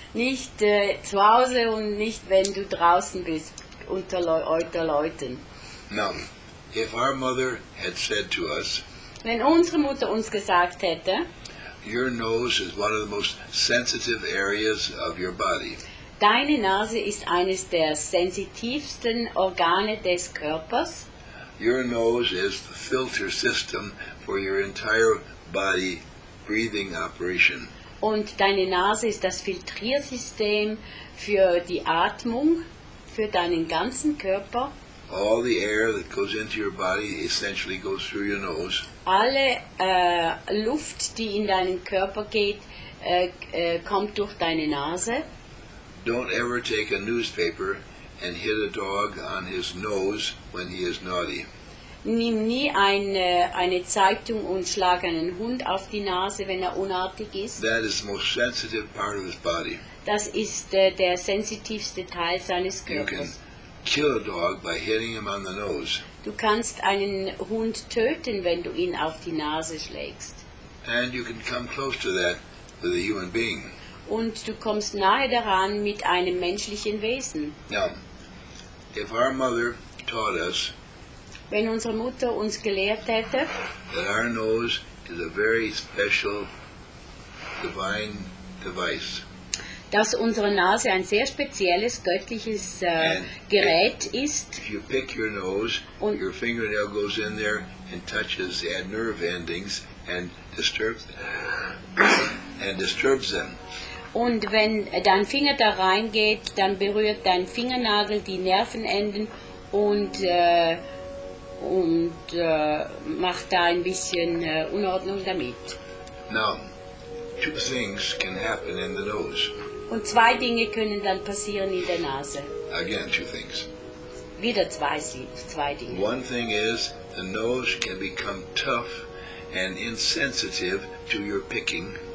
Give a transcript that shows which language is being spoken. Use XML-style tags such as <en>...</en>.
<de>Nicht zu Hause und nicht, wenn du draußen bist, unter Leuten.</de> <en>Now, if our mother had said to us,</en> <de>wenn unsere Mutter uns gesagt hätte,</de> <en>your nose is one of the most sensitive areas of your body.</en> <de>Deine Nase ist eines der sensitivsten Organe des Körpers.</de> <en>Your nose is the filter system for your entire body breathing operation.</en> <de>Und deine Nase ist das Filtriersystem für die Atmung, für deinen ganzen Körper.</de> <en>All the air that goes into your body essentially goes through your nose.</en> <de>Alle Luft, die in deinen Körper geht, kommt durch deine Nase.</de> <en>Don't ever take a newspaper and hit a dog on his nose when he is naughty.</en> <de>Nimm nie eine Zeitung und schlag einen Hund auf die Nase, wenn unartig ist.</de> <en>That is the most sensitive part of his body.</en> <de>Das ist der sensitivste Teil seines Körpers.</de> <en>You can kill a dog by hitting him on the nose.</en> <de>Du kannst einen Hund töten, wenn du ihn auf die Nase schlägst.</de> <en>And you can come close to that with a human being.</en> <de>Und du kommst nahe daran mit einem menschlichen Wesen.</de> <en>Now, if our mother taught us,</en> <de>wenn unsere Mutter uns gelehrt hätte,</de> <en>that our nose is a very special divine device,</en> <de>dass unsere Nase ein sehr spezielles göttliches Gerät ist.</de> <en>If you pick your nose, und your fingernail goes in there and touches the nerve endings and disturbs them.</en> <de>Und wenn dein Finger da reingeht, dann berührt dein Fingernagel die Nervenenden und macht da ein bisschen Unordnung damit.</de> <en>Now, two things can happen in the nose.</en> <de>Und zwei Dinge können dann passieren in der Nase.</de> <en>Again, two things.</en> <de>Wieder zwei Dinge.</de> <en>One thing is, the nose can become tough and insensitive to your picking.</en>